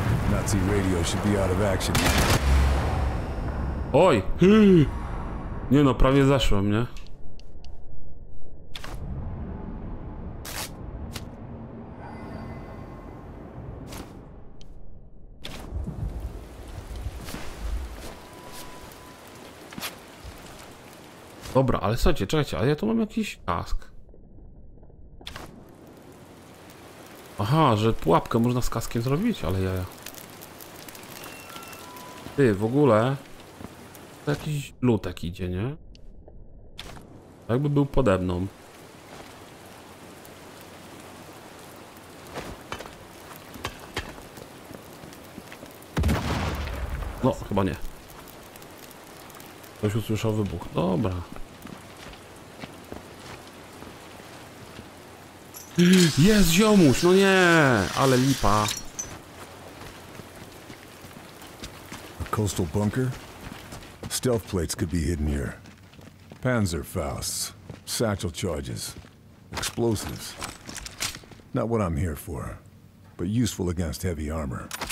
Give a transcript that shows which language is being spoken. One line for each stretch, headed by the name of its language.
English: Nazi radio should be out of action. Oj!
Polish: Nie no, prawie zaszło mnie. Dobra, ale słuchajcie, czekajcie, a ja tu mam jakiś kask. Aha, że pułapkę można z kaskiem zrobić, ale jaja. Ty, w ogóle... To jakiś lutek idzie, nie? Jakby był pode mną. No, chyba nie. Ktoś usłyszał wybuch, dobra. Jest ziomuś, no nie, ale lipa.
English: A coastal bunker? Stealth plates could be hidden here. Panzerfausts, satchel charges, explosives. Not what I'm here for, but useful against heavy armor.